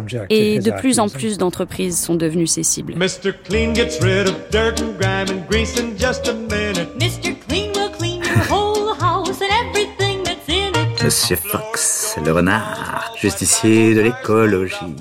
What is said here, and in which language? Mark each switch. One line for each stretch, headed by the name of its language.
French: Et de plus en plus d'entreprises sont devenues ses cibles.
English: Mr. Clean gets rid of dirt and grime and grease in just a minute. Mr. Clean will clean your whole house and everything that's in it.
French: Monsieur Fox, le renard, justicier de l'écologie.